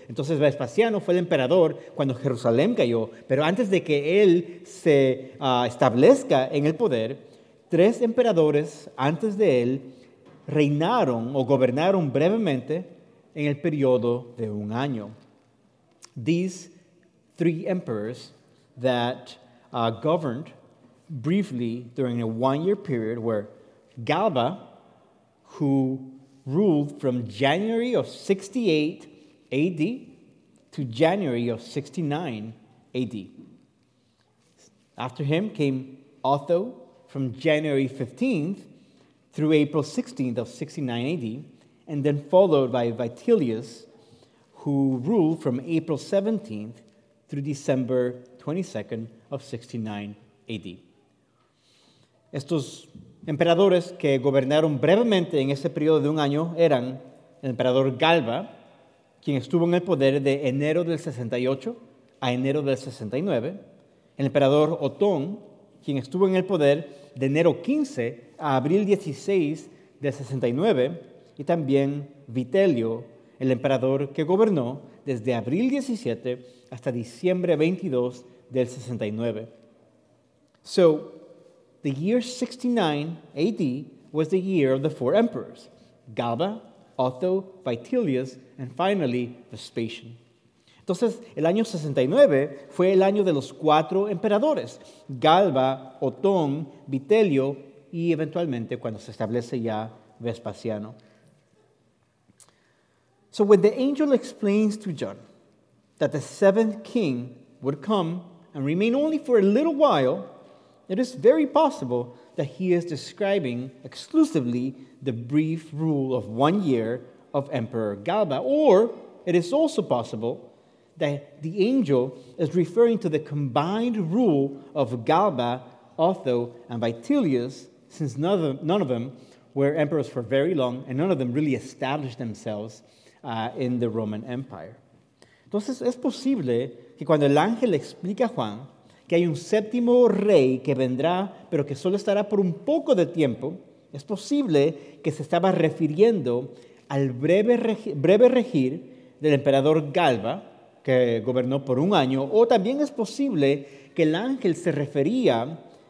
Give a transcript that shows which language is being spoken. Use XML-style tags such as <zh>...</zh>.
<es>Entonces Vespasiano fue el emperador cuando Jerusalén cayó. Pero antes de que él se establezca en el poder, tres emperadores antes de él reinaron o gobernaron brevemente en el periodo de un año.</es> <en>These three emperors that governed briefly during a one-year period were Galba, who ruled from January of 68 AD to January of 69 AD. After him came Otho from January 15th through April 16th of 69 AD, and then followed by Vitellius, who ruled from April 17th through December 22nd of 69 AD.</en> <es>Estos emperadores que gobernaron brevemente en ese periodo de un año eran el emperador Galba, quien estuvo en el poder de enero del 68 a enero del 69, el emperador Otón, quien estuvo en el poder de enero 15 a abril 16 del 69, y también Vitelio, el emperador que gobernó desde abril 17 hasta diciembre 22 del 69.</es> <en>So, the year 69 AD was the year of the four emperors, Galba, Otho, Vitellius, and finally Vespasian.</en> <es>Entonces, el año 69 fue el año de los cuatro emperadores, Galba, Otón, Vitelio, y eventualmente cuando se establece ya Vespasiano.</es> <en>So when the angel explains to John that the seventh king would come and remain only for a little while, it is very possible that he is describing exclusively the brief rule of 1 year of Emperor Galba. Or it is also possible that the angel is referring to the combined rule of Galba, Otho, and Vitellius, since none of them were emperors for very long and none of them really established themselves in the Roman Empire.</en> <es>Entonces, es posible que cuando el ángel explica a Juan que hay un séptimo rey que vendrá, pero que solo estará por un poco de tiempo, es posible que se estaba refiriendo al breve regir del emperador Galba, que gobernó por un año, o también es posible que el ángel se refería</es>